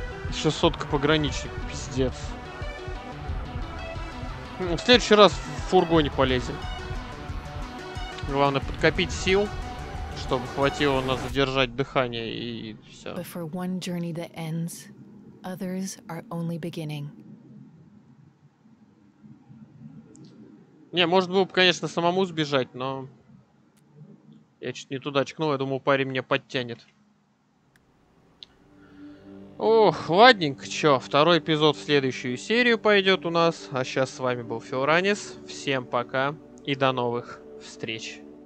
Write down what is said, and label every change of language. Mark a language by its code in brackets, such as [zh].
[ru] Еще сотка пограничник, пиздец. В следующий раз в фургоне полезем. Главное, подкопить сил. Чтобы хватило на задержать дыхание и все. [en] But for one journey that ends, others are only beginning. [ru] Не, может было бы, конечно, самому сбежать, но я чуть не туда чкнул, я думал, парень меня подтянет. Ох, ладненько, чё, второй эпизод в следующую серию пойдет у нас. А сейчас с вами был Фиоранис. Всем пока и до новых встреч.